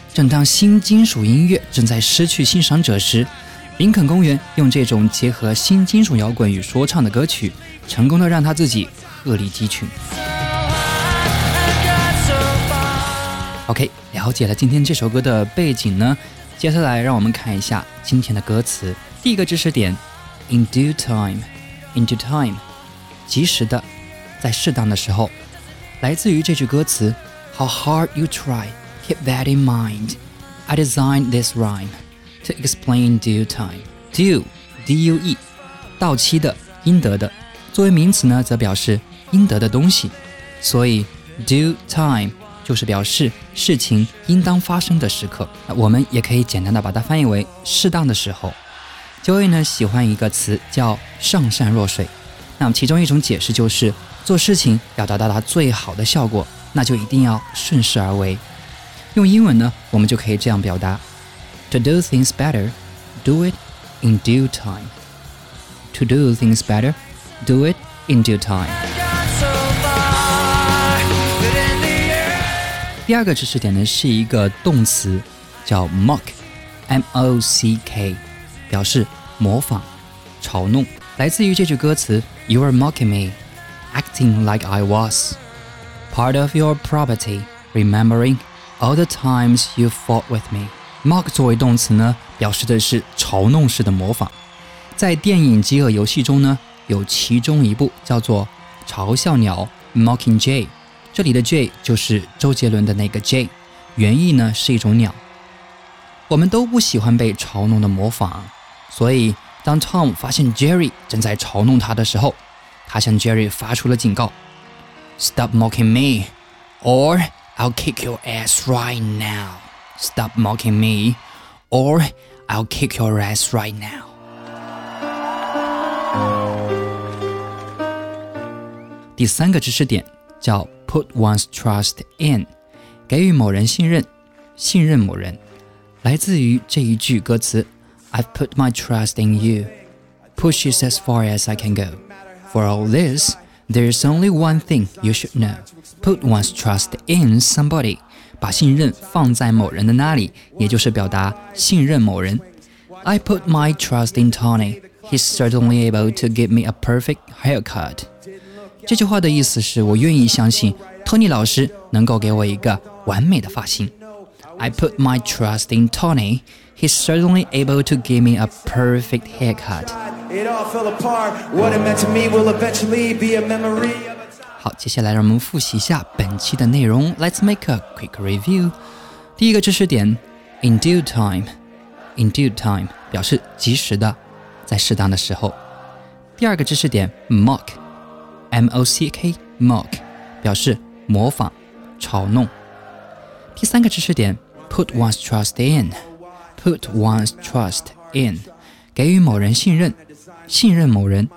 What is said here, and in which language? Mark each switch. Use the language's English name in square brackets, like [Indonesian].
[Chinese] 正当新金属音乐正在失去欣赏者时，林肯公园用这种结合新金属摇滚与说唱的歌曲，成功地让他自己鹤立鸡群。 OK， 了解了今天这首歌的背景呢，接下来让我们看一下今天的歌词。第一个知识点， In due time， In due time， 及时的，在适当的时候，来自于这句歌词 [English] How hard you tryKeep that in mind. I designed this rhyme to explain due time. [Chinese] Due, D-U-E, 到期的，应得的。作为名词呢，则表示应得的东西。所以 due time 就是表示事情应当发生的时刻。我们也可以简单的把它翻译为适当的时候。Joy 呢喜欢一个词叫上善若水。那么其中一种解释就是，做事情要达到它最好的效果，那就一定要顺势而为。用英文呢，我们就可以这样表达 [English] To do things better, do it in due time. To do things better, do it in due time. [Chinese] 第二个知识点呢，是一个动词叫 mock, M-O-C-K, 表示模仿、嘲弄。来自于这句歌词 [English] You are mocking me, acting like I was. Part of your property, rememberingAll the times you fought with me. [Chinese] Mock 作为动词呢，表示的是嘲弄式的模仿。在电影《饥饿游戏》中呢，有其中一部叫做《嘲笑鸟》（Mockingjay）。这里的 Jay 就是周杰伦的那个 Jay， 原意呢是一种鸟。我们都不喜欢被嘲弄的模仿，所以当 Tom 发现 Jerry 正在嘲弄他的时候，他向 Jerry 发出了警告 ： [English] “Stop mocking me, or...” I'll kick your ass right now. Stop mocking me, or I'll kick your ass right now. [Chinese] 第三个知识点叫 put one's trust in， 给予某人信任，信任某人，来自于这一句歌词 [English] I've put my trust in you. Push it as far as I can go. For all this. There's only one thing you should know. Put one's trust in somebody. [Chinese] 把信任放在某人的那里，也就是表达信任某人。 [English] I put my trust in Tony. He's certainly able to give me a perfect haircut. [Chinese] 这句话的意思是，我愿意相信托尼老师能够给我一个完美的发型。 [English] I put my trust in Tony. He's certainly able to give me a perfect haircut. It all fell apart. What it meant to me will eventually be a memory of a time. [Chinese] 好，接下来让我们复习一下本期的内容。 [English] Let's make a quick review. [Chinese] 第一个知识点 [English] ，in due time， [Chinese] in due time 表示及时的，在适当的时候。第二个知识点 mock M-O-C-K mock 表示模仿、嘲弄。第三个知识点 put one's trust in put one's trust in 给予某人信任，信任某人。